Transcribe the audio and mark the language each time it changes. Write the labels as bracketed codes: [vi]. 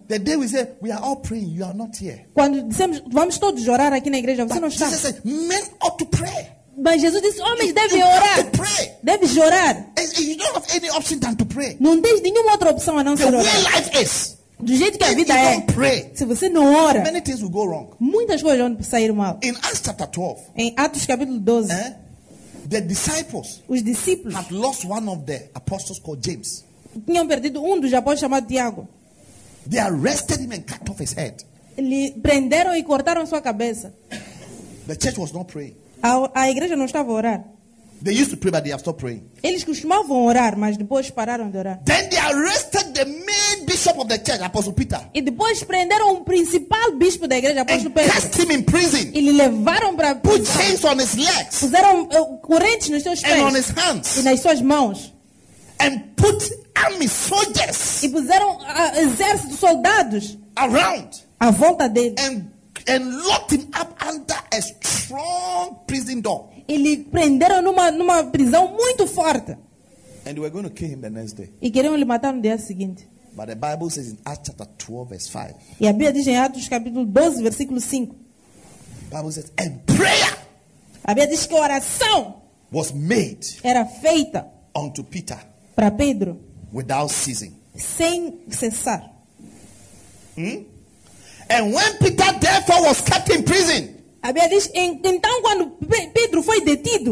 [en] The day we say we are all praying, you are not here. [pt] Quando dissemos vamos todos orar aqui na igreja, você [en] but [pt] não está. [en] Jesus said, men ought to pray. [pt] Mas Jesus disse, homens devem orar. Deve orar. [en] You don't have any option than to pray. [pt] Não tens nenhuma outra opção a não ser orar. [en] The way life is. [pt] Do jeito que [en] if [pt] a vida [en] you [pt] é. [en] Don't pray, [pt] se você não ora. [en] Many things will go wrong. [pt] Muitas coisas vão sair mal. [en] In Acts chapter 12. [pt] Em Atos capítulo 12. [en] Eh? The disciples, [pt] os discípulos, [en] had lost one of the apostles called James. [pt] Tinham perdido dos apóstolos chamado Tiago. [en] They arrested him and cut off his head. [pt] Lhe prenderam e cortaram sua cabeça. [en] The church was not praying. [pt] A igreja não estava a orar. [en] They used to pray, but they have stopped praying. [pt] Eles costumavam orar, mas depois pararam de orar. [en] Then they arrested the main bishop of the church, Apostle Peter. [pt] E depois prenderam o principal bispo da igreja, Apóstolo [en] and [pt] Pedro. [en] And cast him in prison. [pt] E levaram para [en] put chains on his legs. [pt] Puseram correntes nos seus pés. [en] And on his hands. [pt] E nas suas mãos. [en] And put army soldiers. [pt] E puseram exército, soldados. [en] Around. [pt] À volta dele. [en] And locked him up under a strong prison door. [pt] E lhe prenderam numa prisão muito forte. [en] And they were going to kill him the next day. [pt] E queriam lhe matar no dia seguinte. [en] But the Bible says in Acts chapter 12 verse 5. [pt] E a Bíblia diz em Atos capítulo 12 versículo 5. [en] The Bible says and prayer. [pt] A Bíblia diz que a oração [en] was made. [pt] Era feita [en] unto Peter. [pt] Para Pedro. [en] Without ceasing. [pt] Sem cessar. [en] And when Peter therefore was kept in prison. [pt] A Bíblia diz, então quando Pedro foi detido,